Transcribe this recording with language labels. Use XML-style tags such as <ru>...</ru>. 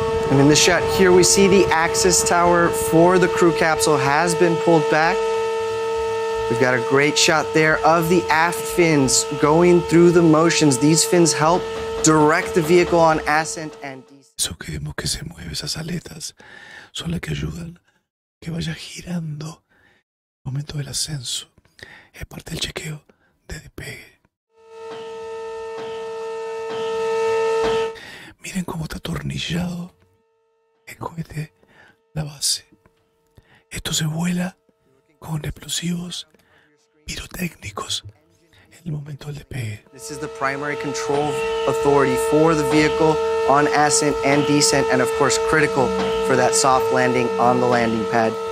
<en>And in the shot here, we see the access tower for the crew capsule has been pulled back. We've got a great shot there of the aft fins going through the motions. These fins help direct the vehicle on ascent and descent.</en> <es>Eso que vemos que se mueve, esas aletas son las que ayudan que vaya girando en el momento del ascenso. Es parte del chequeo de despegue. Miren cómo está atornillado. El cohete, la base. Esto se vuela con explosivos pirotécnicos en el momento del despegue.</es> <en>This is the primary control authority for the vehicle on ascent and descent, and of course critical for that soft landing on the landing pad.</en>